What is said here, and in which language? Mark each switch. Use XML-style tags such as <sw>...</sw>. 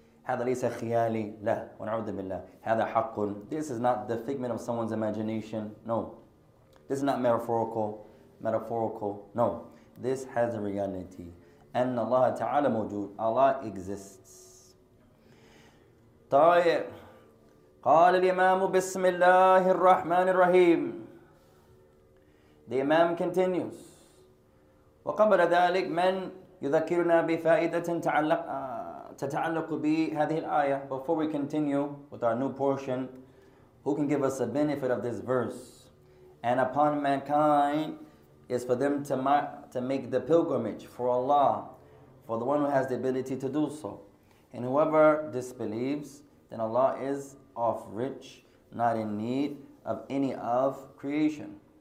<ar>هذا ليس خيالي لا ونعوذ بالله هذا حق.</ar> <en>This is not the figment of someone's imagination. No, this is not metaphorical. No, this has a reality.</en> <ar>أن الله تعالى موجود.</ar> <en>Allah exists.</en> <ar>طيب قال الإمام بسم الله الرحمن الرحيم.</ar> <en>The Imam continues.</en> <ar>وقبل ذلك من يذكرنا بفائدة تعلق تتعلق بهذه الآية.</ar> <en>Before we continue with our new portion, who can give us a benefit of this verse? And upon mankind is for them to make the pilgrimage for Allah, for the one who has the ability to do so. And whoever disbelieves, then Allah is of rich, not in need of any of creation.</en>